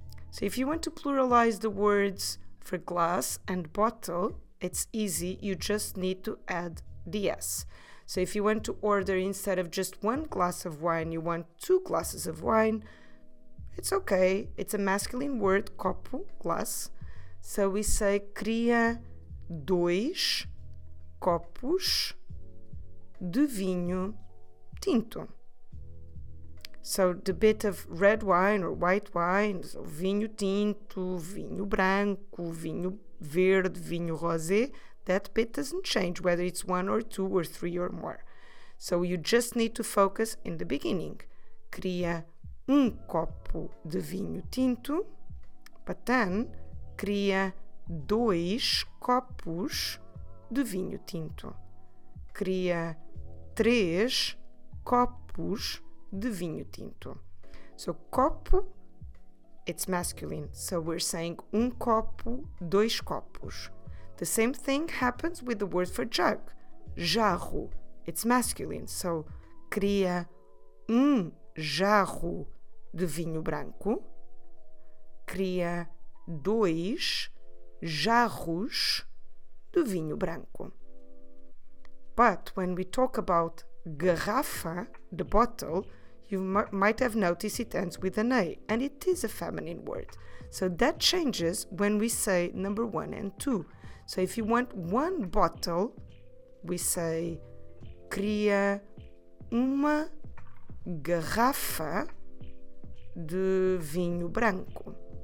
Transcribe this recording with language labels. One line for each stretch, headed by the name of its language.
English: So if you want to pluralize the words for glass and bottle, it's easy, you just need to add the S. So if you want to order instead of just one glass of wine, you want two glasses of wine, it's okay. It's a masculine word, copo, glass.
Portuguese: So we say, queria dois copos de vinho tinto.
English: So the bit of red wine or white wine, so
Portuguese: vinho tinto, vinho branco, vinho verde, vinho rosé,
English: that bit doesn't change whether it's one or two or three or more. So you just need to focus in the beginning.
Portuguese: Queria copo de vinho tinto,
English: but then
Portuguese: queria dois copos de vinho tinto. Queria três copos de vinho tinto.
English: So copo, it's masculine. So we're saying copo,
Portuguese: dois copos.
English: The same thing happens with the word for jug. Jarro, it's masculine.
Portuguese: So queria jarro de vinho branco. Queria dois jarros de vinho branco.
English: But when we talk about garrafa, the bottle, you might have noticed it ends with an A, and it is a feminine word. So that changes when we say number one and two. So if you want one bottle, we say
Portuguese: cria uma garrafa de vinho branco.